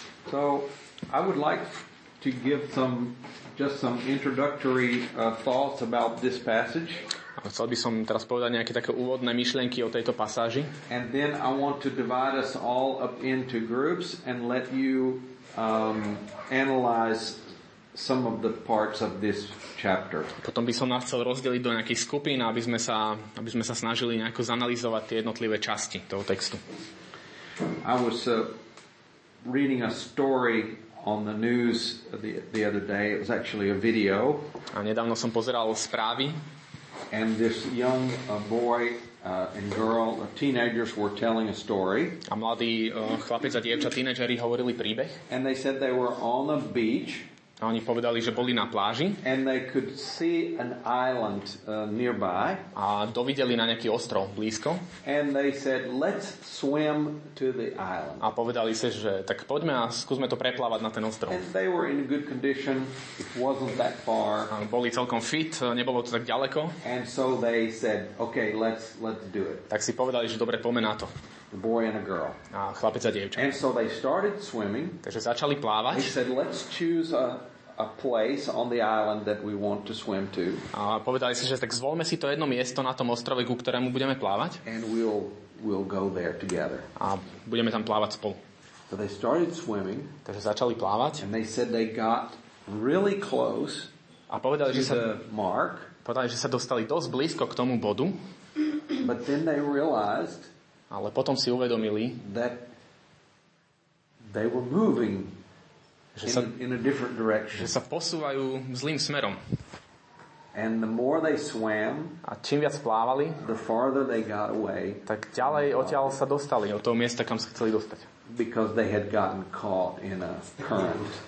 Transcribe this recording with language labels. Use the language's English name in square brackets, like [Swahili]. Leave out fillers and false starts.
[English] So, I would like to give some just some introductory thoughts about this passage. [Slovak] Chcel by som teraz povedať nejaké také úvodné myšlienky o tejto pasáži. [English] And then I want to divide us all up into groups and let you analyze some of the parts of this chapter. [Slovak] Potom by som nás chcel rozdeliť do nejakých skupín, aby sme sa snažili nejako zanalyzovať tie jednotlivé časti toho textu. [English] I was reading a story on the news the other day. It was actually a video. [Slovak] A nedávno som pozeral správy. [English] And this young boy and girl, teenagers were telling a story. [Slovak] A mladí chlapec a dievča, tínedžeri hovorili príbeh. [English] And they said they were on a beach. [Slovak] A oni povedali, že boli na pláži. [English] And they could see an island nearby. [Slovak] A dovideli na nejaký ostrov blízko. [English] And they said, let's swim to the island. [Slovak] A povedali sa, že tak poďme a skúsme to preplávať na ten ostrov. [English] And they were in good condition. It wasn't that far. [Slovak] A boli celkom fit, nebolo to tak ďaleko. [English] And so they said, okay, let's do it. [Slovak] Tak si povedali, že dobre, poďme na to. [English] A boy and a girl. [Slovak] A chlapec a dievča. [English] And so they started swimming. [Slovak] Takže začali plávať. [English] They said, let's choose a place on the island that we want to swim to. [Slovak] A povedali si, že tak zvolme si to jedno miesto na tom ostrove, ku ktorému budeme plávať. [English] And we'll go there together. [Slovak] A budeme tam plávať spolu. [English] So they started swimming. [Slovak] Takže začali plávať. [English] And they said they got really close. [Slovak] A povedali, to že sa [English] mark. [Slovak] Povedali, že sa dostali dosť blízko k tomu bodu. [English] But then they realized. [Slovak] Ale potom si uvedomili, [English] that they were moving in a different direction. [Slovak] Že sa posúvajú zlým smerom. [English] And the more they swam, [Slovak] a čím viac plávali, [English] the farther they got away, [Slovak] tak ďalej odtiaľ sa dostali, od toho miesta, kam sa chceli dostať. [English] Because they had gotten caught in a current.